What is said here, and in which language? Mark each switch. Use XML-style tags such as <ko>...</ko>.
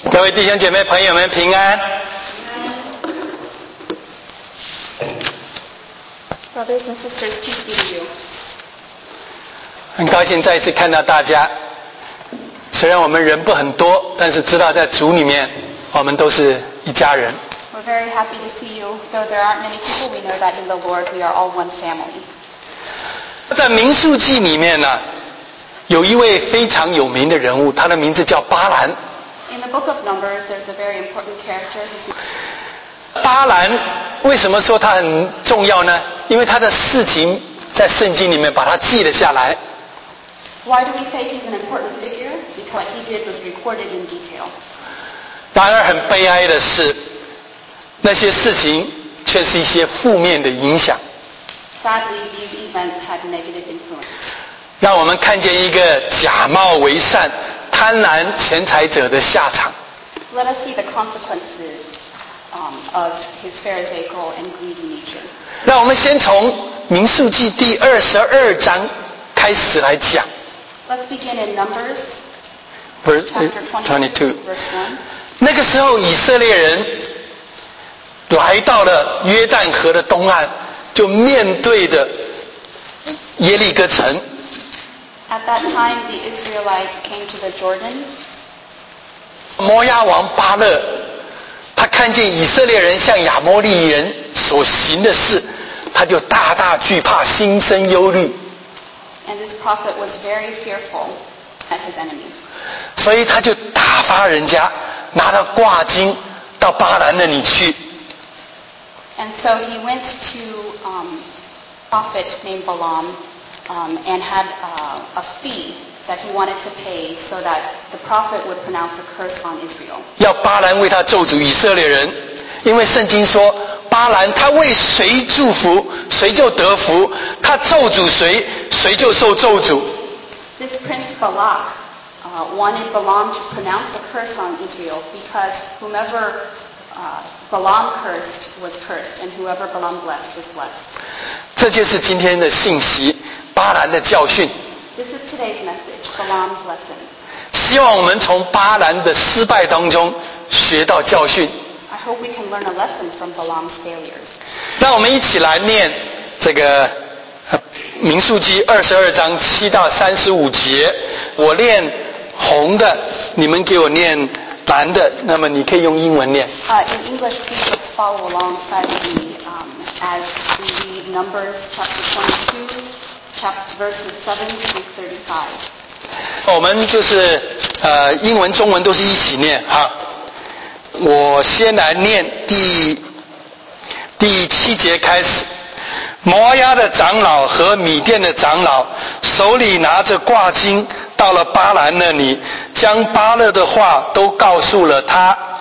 <zh>各位弟兄姐妹朋友们平安。</zh> <en>Brothers and sisters, peace be with you.</en> <zh>很高兴再一次看到大家。虽然我们人不很多，但是知道在主里面，我们都是一家人。</zh> <en>We're very happy to see you. Though there aren't many people, we know that in the Lord we are all one family.</en> <zh>在民数记里面呢，有一位非常有名的人物，他的名字叫巴兰。</zh> <en>In the book of Numbers, there's a very important character.</en> <zh>巴兰为什么说他很重要呢？因为他的事情在圣经里面把他记了下来。</zh> <en>Why do we say he's an important figure? Because what he did was recorded in detail.</en> <zh>然而很悲哀的是，那些事情却是一些负面的影响。</zh> <en>Sadly, these events had negative influence.</en> <zh>让我们看见一个假冒为善、贪婪钱财者的下场。</zh> <en>Let us see the consequences, of his pharisaical and greedy nature.</en> <zh>让我们先从民数记第二十二章开始来讲。</zh> <en>Let's begin in Numbers, chapter 22, verse 1.</en> <zh>那个时候，以色列人来到了约旦河的东岸，就面对着耶利哥城。</zh> <en>At that time, the Israelites came to the Jordan.</en> <zh>摩押王巴勒，他看见以色列人向亚摩利人所行的事，他就大大惧怕，心生忧虑。</zh> <en>And this prophet was very fearful at his enemies.</en> <zh>所以他就打发人家拿着挂金到巴兰那里去。</zh> <en>And so he went to prophet named Balaam. And had a fee that he wanted to pay so that the prophet would pronounce a curse on Israel.</en> <zh>要巴兰为他咒诅以色列人，因为圣经说巴兰他为谁祝福谁就得福，他咒诅谁谁就受咒诅。</zh> <en>This prince Balak wanted Balaam to pronounce a curse on Israel because whomeverBalaam cursed was cursed, and whoever Balaam blessed was blessed.</en> <zh>这就是今天的信息。巴兰的教训。</zh> <en>This is today's message, Balaam's lesson.</en> <zh>希望我们从巴兰的失败当中学到教训。</zh> <en>I hope we can learn a lesson from Balaam's failures.</en> <zh>让我们一起来念这个民数记二十二章七到三十五节。我念红的，你们给我念蓝的，那么你可以用英文念。</zh> <en>In English, please follow alongside me as we read Numbers chapter 22. Verses 7 through 35.</en> <zh>我们就是英文中文都是一起念哈。我先来念第七节开始。摩押的长老和米甸的长老手里拿着挂金到了巴兰那里，将巴勒的话都告诉了他。</zh>